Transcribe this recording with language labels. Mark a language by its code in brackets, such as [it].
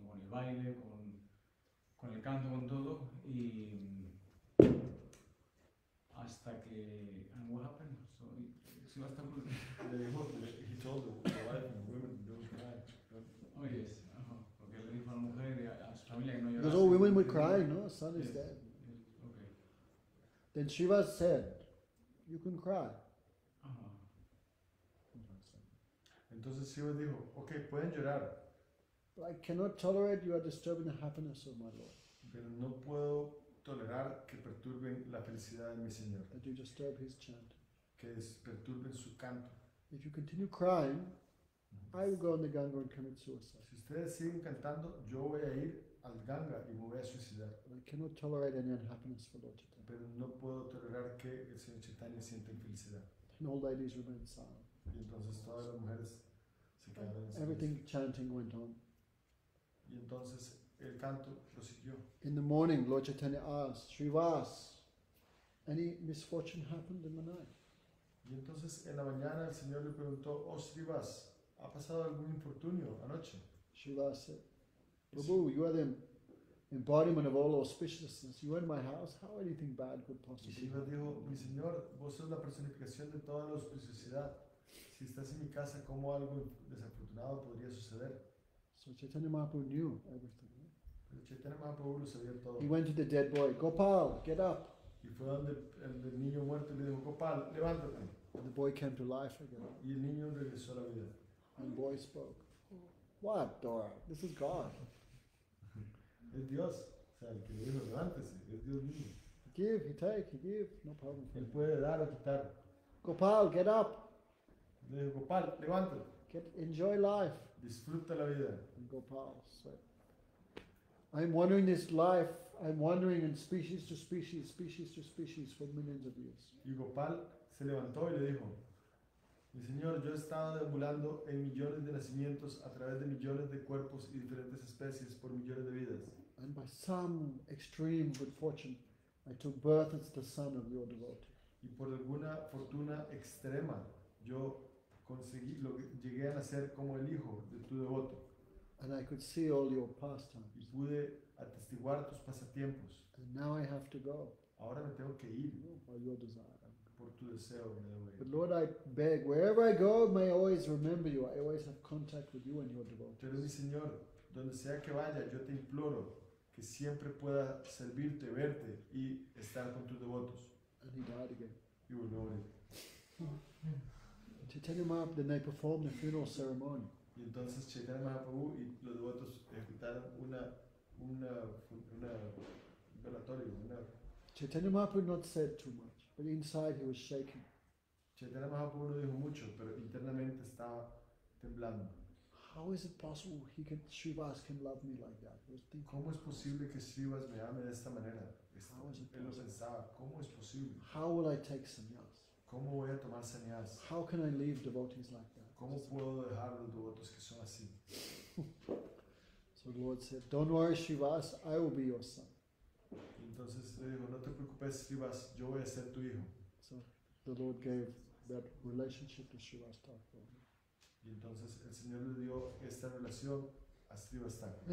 [es] baile, con el canto, con todo, y hasta que... [en] And what happened? So, Sivasta Pur... He told the wife and women, don't cry. Oh, yes. Uh-huh. [es] Porque le dijo a la mujer y a su familia que no llorase. [en] Because all women would cry, no? Her son yes. is dead. Yes. Okay. Then Shiva said, you can cry. [es] Entonces Shiva dijo, okay, pueden llorar. [en] But I cannot tolerate you are disturbing the happiness of my Lord. [es] Pero no puedo tolerar que perturben la felicidad de mi Señor. [en] That you disturb his chant. [es] Que perturben su canto. [en] If you continue crying, I will go on the Ganga and commit suicide. [es] Si ustedes siguen cantando, yo voy a ir al Ganga y me voy a suicidar. [en] But I cannot tolerate any unhappiness for Lord Chaitanya. [es] Pero no puedo tolerar que el Señor Chaitanya sienta infelicidad. [en] And all ladies remain silent. [es] Y entonces todas las mujeres se quedaron en [en] everything chanting went on. [es] Y entonces el canto prosiguió. [en] In the morning, Lord Chaitanya asked, Srivas, any misfortune happened in the night? [es] Y entonces en la mañana el Señor le preguntó, oh Srivas, ¿ha pasado algún infortunio anoche? [en] Srivas said, Prabhu, you are the embodiment of all auspiciousness. You are in my house. How anything bad could possibly happen? [es] Y Srivas dijo, mi Señor, vos sos la personificación de toda la auspiciosidad. Si estás en mi casa, ¿cómo algo desafortunado podría suceder? [en] So Chaitanya Mahaprabhu knew everything. Right? [es] Pero Chaitanya Mahaprabhu lo sabía todo. [en] He went to the dead boy, Gopal, get up. [es] Y fue donde el niño muerto le dijo, Gopal, levántate. [en] And the boy came to life again. [es] Y el niño regresó a la vida. [en] And the boy spoke, what, Dora? This is God. [es] Es Dios. O sea, el que le dijo, levántese. Es Dios mismo. [en] Give, he take, he give. No problem. [es] Él puede dar o quitar. [en] Gopal, get up. [es] Le dijo, Gopal, levántate. [en] Get, enjoy life. [es] Disfruta la vida. [en] And Gopal said, I'm wandering this life, I'm wandering in species to species, species to species for millions of years. [es] Y Gopal se levantó y le dijo, mi señor, yo he estado deambulando en millones de nacimientos a través de millones de cuerpos y diferentes especies por millones de vidas. [en] And by some extreme good fortune, I took birth as the son of your devotee. [es] Y por alguna fortuna extrema, yo conseguí, llegué a nacer como el hijo de tu devoto. [en] And I could see all your pastimes. [es] Y pude atestiguar tus pasatiempos. [en] And now I have to go. [es] Ahora me tengo que ir. [en] By your desire. [es] Por tu deseo me debo ir. [en] But Lord, I beg, wherever I go, may I always remember you. I always have contact with you and your devotees. [es] Pero mi Señor, donde sea que vaya, yo te imploro que siempre pueda servirte, verte y estar con tus devotos. [en] And he died again. [es] Y volvió a morir. [en] Chaitanya Mahaprabhu, then they performed the funeral ceremony. [es] Y entonces Chaitanya Mahaprabhu y los devotos ejecutaron una velatorio, una. [en] Chaitanya Mahaprabhu not said too much, but inside he was shaking. [es] Chaitanya Mahaprabhu no dijo mucho, pero internamente estaba temblando. [en] How is it possible he can, Srivas can love me like that? [es] ¿Cómo es posible que Srivas me ame de esta manera? Él lo pensaba. ¿Cómo es posible? [en] How will I take sannyas? [es] ¿Cómo voy a tomar sannyas? [en] How can I leave devotees like that? [es] ¿Cómo puedo dejar los devotos que son así? [en] So the Lord said, don't worry, Srivas, I will be your son. [es] Entonces le dijo, no te preocupes, Srivas, yo voy a ser tu hijo. [en] So the Lord gave that relationship to Srivas Thakur. [es] Y entonces el Señor le dio esta relación a Srivas Thakur.